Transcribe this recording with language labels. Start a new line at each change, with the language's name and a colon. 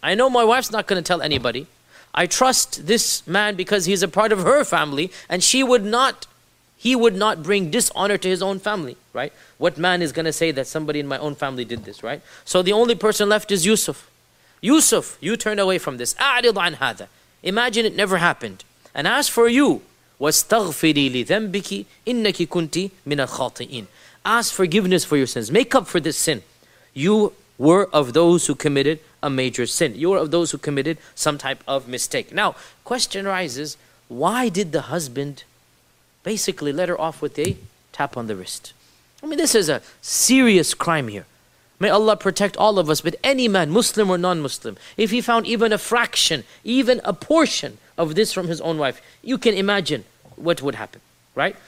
English: I know my wife's not going to tell anybody. I trust this man because he's a part of her family, and he would not bring dishonor to his own family, right? What man is going to say that somebody in my own family did this, right? So the only person left is Yusuf. Yusuf, you turn away from this.
Arabic: أعرض عن هذا.
English: Imagine it never happened. And as for you,
Arabic: وَاسْتَغْفِرِي لِذَنْبِكِ إِنَّكِ كُنْتِ مِنَ الْخَاطِئِينَ.
English: Ask forgiveness for your sins. Make up for this sin. You were of those who committed a major sin. You were of those who committed some type of mistake. Now, question arises, why did the husband basically let her off with a tap on the wrist? I mean, this is a serious crime here. May Allah protect all of us, but any man, Muslim or non-Muslim, if he found even a fraction, even a portion of this from his own wife, you can imagine what would happen, right?